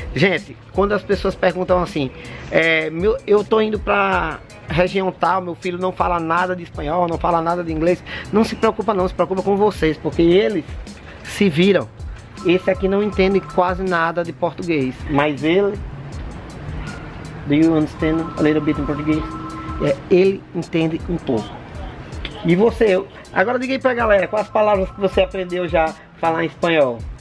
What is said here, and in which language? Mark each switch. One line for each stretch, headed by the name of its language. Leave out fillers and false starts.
Portuguese: Gente, quando as pessoas perguntam assim, eu tô indo pra região tal, meu filho não fala nada de espanhol, não fala nada de inglês, não se preocupa não, se preocupa com vocês, porque eles se viram. Esse aqui não entende quase nada de português, mas ele...
English: Do you understand a little bit in português?
Portuguese: Ele entende um pouco. E você? Agora diga aí pra galera, quais as palavras que você aprendeu já falar em espanhol?